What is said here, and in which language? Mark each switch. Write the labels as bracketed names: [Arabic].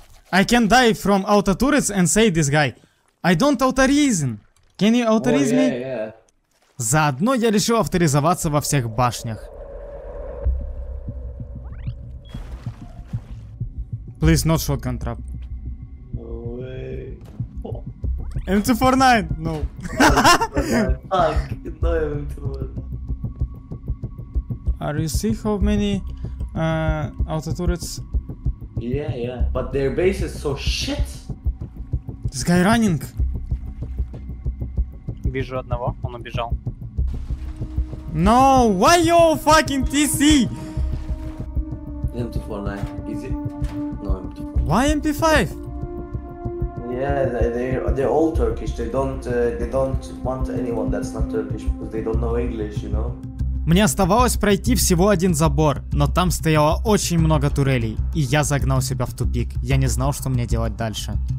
[English] I can die from auto turrets and say this guy, I don't authorize. Can you authorize me? Yeah. [Russian] Заодно я решил авторизоваться во всех башнях. [English] Please not shotgun trap. No way. Oh. M249. No. No M249. Are you see how many auto turrets? Yeah, but their base is so shit. This guy running. [Russian] Вижу одного, он убежал. [English] No, why you fucking TC? MP49, easy. No MP5. Why MP5? Yeah, they're all Turkish. They don't want anyone that's not Turkish because they don't know English, you know. [Russian] Мне оставалось пройти всего один забор, но там стояло очень много турелей, и я загнал себя в тупик. Я не знал, что мне делать дальше.